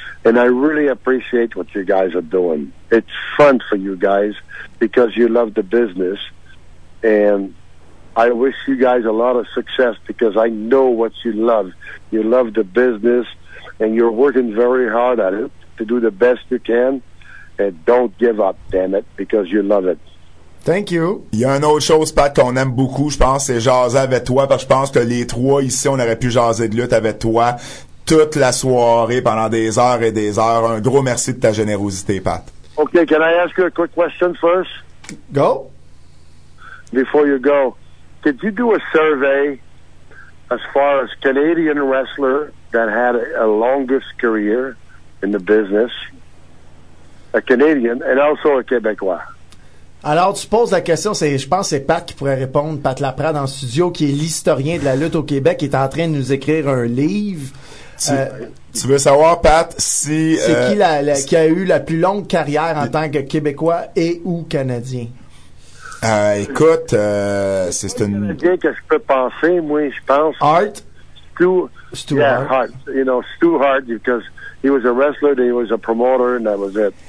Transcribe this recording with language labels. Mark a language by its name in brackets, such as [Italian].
[English] And I really appreciate what you guys are doing. It's fun for you guys because you love the business. And I wish you guys a lot of success because I know what you love. You love the business and you're working very hard at it to do the best you can. And don't give up, damn it, because you love it. Thank you. [French] Il y a une autre chose, Pat, qu'on aime beaucoup, je pense, c'est jaser avec toi, parce que je pense que les trois ici, on aurait pu jaser de lutte avec toi toute la soirée pendant des heures et des heures. Un gros merci de ta générosité, Pat. [English] OK, can I ask you a quick question first? Go. Before you go, did you do a survey as far as Canadian wrestler that had a longest career in the business? A Canadian and also a Québécois. [French] Alors, tu poses la question, je pense que c'est Pat qui pourrait répondre, Pat Laprade en studio, qui est l'historien de la lutte au Québec, qui est en train de nous écrire un livre. Tu veux savoir, Pat, si... Qui a eu la plus longue carrière en tant que Québécois et ou Canadien? Écoute, c'est une... Canadien que je peux penser, moi, je pense... Hart? Stu Hart. [English] You know, Stu Hart, because he was a wrestler, he was a promoter, and that was it.